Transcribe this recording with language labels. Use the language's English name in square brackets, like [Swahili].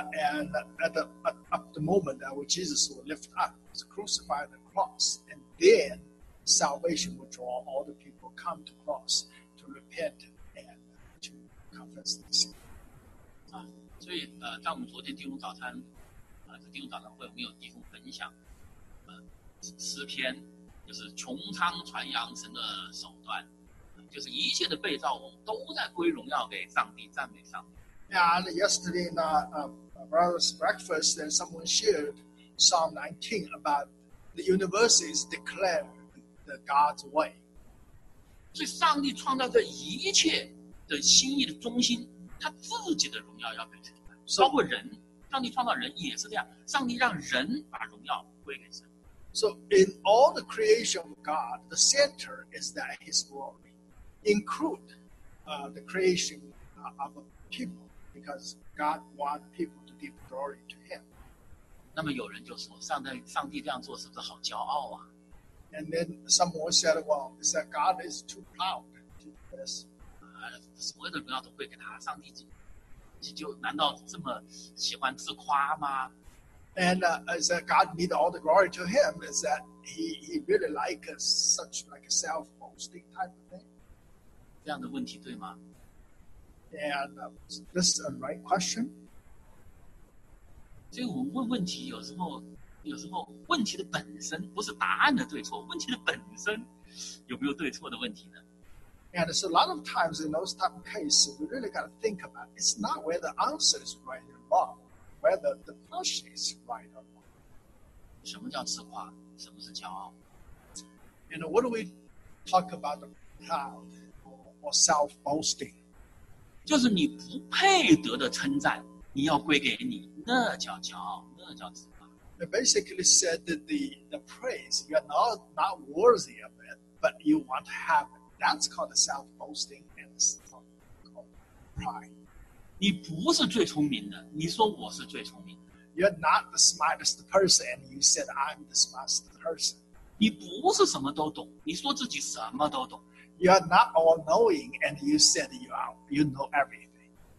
[English] And at the moment that when Jesus was lifted up, was crucified on the cross, and then salvation would draw all the people come to cross to repent and to confess the sin. [Chinese] 啊，所以在我们昨天弟兄早餐这弟兄早餐会我们有弟兄分享诗篇，就是穹苍传扬神的手段，就是一切的被造物都在归荣耀给上帝，赞美上帝。 [English] And yesterday in a brother's breakfast, and someone shared Psalm 19 about the universe is declared the God's way. [Chinese] 所以上帝创造这一切的心意的中心，他自己的荣耀要被出来，包括人。上帝创造人也是这样，上帝让人把荣耀归给神。 [English] So in all the creation of God, the center is that His glory, include the creation of people. Because God wants people to give glory to Him. [Chinese] 那么有人就说，上帝这样做是不是好骄傲啊？ [English] And then someone said, "Well, he said God is too proud to do this." [Chinese] 所有的荣耀都会给他，上帝就难道这么喜欢自夸吗？ [English] And he said God needs all the glory to Him. Is that he really likes such like a self-boasting type of thing? [Chinese] 这样的问题对吗？ [English] And this is a right question. [Chinese] 所以我们问问题有时候问题的本身不是答案的对错，问题的本身有没有对错的问题呢？ [English] And so a lot of times in those type of cases, we really got to think about it. It's not whether the answer is right or wrong, whether the question is right or wrong. [Chinese] 什么叫自夸？什么是骄傲？ [English] And what do we talk about the proud or self-boasting? [Chinese] 就是你不配得的称赞，你要归给你，那叫骄傲，那叫自夸。 [English] They basically said that the praise you are not worthy of it, but you want to have it. That's called self-boasting and pride. [Chinese] 你不是最聪明的，你说我是最聪明的。 [English] You're not the smartest person, and you said I'm the smartest person. [Chinese] 你不是什么都懂，你说自己什么都懂。 [English] You are not all-knowing, and you said you know everything.